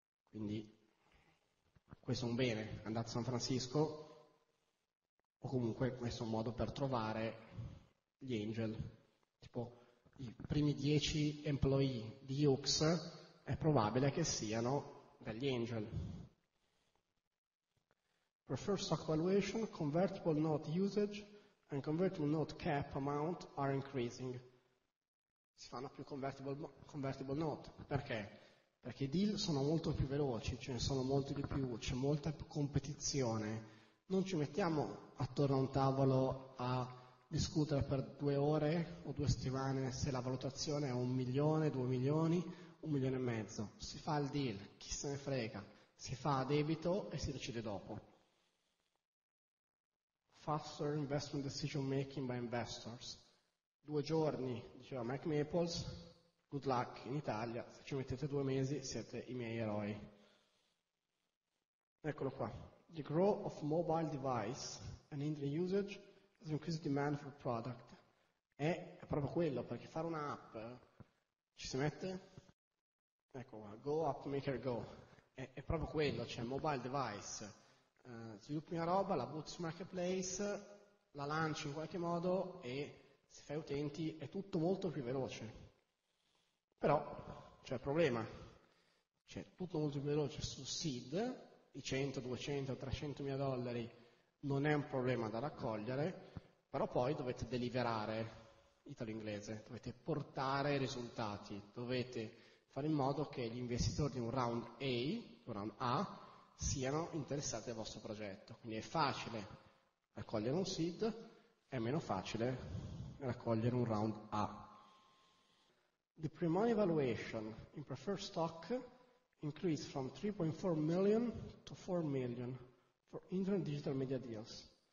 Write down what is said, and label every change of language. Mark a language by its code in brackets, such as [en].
[it] Quindi questo è un bene, andate a San Francisco, o comunque questo è un modo per trovare gli angel. Tipo i primi 10 employee di Ux è probabile che siano degli angel. [en] Preferred stock valuation, convertible note usage and convertible note cap amount are increasing. [it] Si fanno più convertible note. Perché? Perché i deal sono molto più veloci, ce ne sono molti di più, c'è molta più competizione. Non ci mettiamo attorno a un tavolo a discutere per 2 ore o 2 settimane se la valutazione è 1 milione, 2 milioni, 1 milione e mezzo. Si fa il deal, chi se ne frega. Si fa a debito e si decide dopo. [en] Faster investment decision making by investors. [it] 2 giorni, diceva Mike Maples, [en] good luck [it] in Italia, se ci mettete 2 mesi siete i miei eroi. Eccolo qua. [en] The growth of mobile device and internet usage has increased demand for product. [it] È proprio quello, perché fare un'app ci si mette? Ecco qua, Go App Maker Go. È proprio quello, cioè mobile device. Sviluppi una roba, la butti su marketplace, la lanci in qualche modo e se fai utenti è tutto molto più veloce. Però c'è il problema. Cioè, tutto molto più veloce su seed, i 100, 200, 300 mila dollari non è un problema da raccogliere, però poi dovete deliverare, italo-inglese, dovete portare risultati, dovete fare in modo che gli investitori di un round A, siano interessati al vostro progetto. Quindi è facile raccogliere un seed è meno facile raccogliere un round A. [en] The pre-money valuation in preferred stock increased from 3.4 million to 4 million for internet digital media deals.